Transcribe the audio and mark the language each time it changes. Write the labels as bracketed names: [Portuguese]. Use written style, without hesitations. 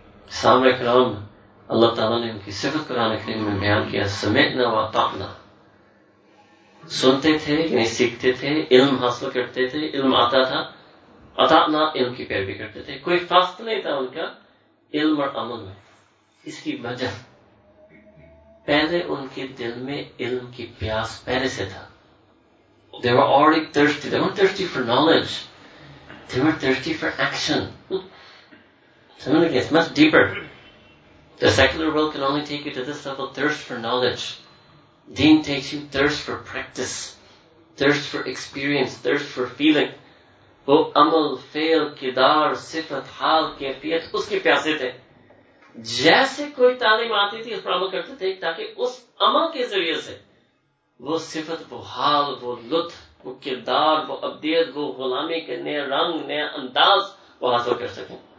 [Urdu] سامع کرام، اللہ تعالیٰ نے ان کی صفت قرآن کریم میں بیان کیا، سمعنا واطعنا، سنتے تھے یعنی سیکھتے تھے، علم حاصل کرتے تھے، علم آتا تھا، اطعنا علم کی پیروی کرتے تھے، کوئی فاصلہ نہیں تھا ان کا علم اور عمل میں. اس کی وجہ پہلے ان کے دل میں علم کی پیاس پہلے سے تھا. [English] They were already thirsty. They weren't thirsty for knowledge. They were thirsty for action. Something like this, much deeper. The secular world can only take you to this level, thirst for knowledge. Deen takes you thirst for practice, thirst for experience, thirst for feeling. [Urdu] وہ عمل، فعل، کردار، صفت، حال، کیفیت اس کے پیاسے تھے. جیسے کوئی تعلیم آتی تھی اس پر عمل کرتے تھے تاکہ اس عمل کے ذریعے سے وہ صفت، وہ حال، وہ لطف، وہ کردار، وہ ابدیت، وہ غلامی کے نئے رنگ، نئے انداز وہ حاصل کر سکیں.